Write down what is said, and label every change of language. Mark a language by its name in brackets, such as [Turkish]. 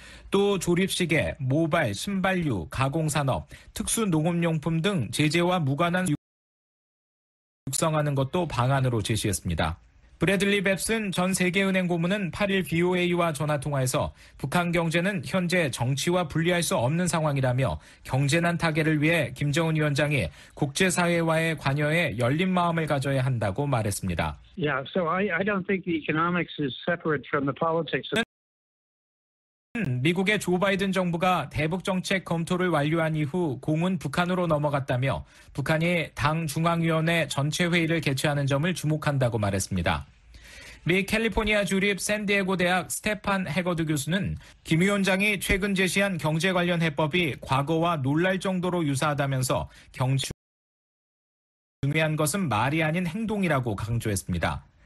[Korean] 또 조립시계, 모발, 신발류, 가공산업, 특수 농업용품 등 제재와 무관한 육성하는 것도 방안으로 제시했습니다. 브래들리 뱁슨 전 세계은행 고문은 8일 VOA와 전화통화에서 북한 경제는 현재 정치와 분리할 수 없는 상황이라며 경제난 타개를 위해 김정은 위원장이 국제사회와의 관여에 열린 마음을 가져야 한다고 말했습니다. [English] Yeah, so I don't think the economics is separate from the politics. [Korean] 미국의 조 바이든 정부가 대북정책 검토를 완료한 이후 공은 북한으로 넘어갔다며 북한이 당 중앙위원회 전체회의를 개최하는 점을 주목한다고 말했습니다. 미 캘리포니아 주립 샌디에고 대학 스테판 해거드 교수는 김 위원장이 최근 제시한 경제 관련 해법이 과거와 놀랄 정도로 유사하다면서 경제 중요한 것은 말이 아닌 행동이라고 강조했습니다.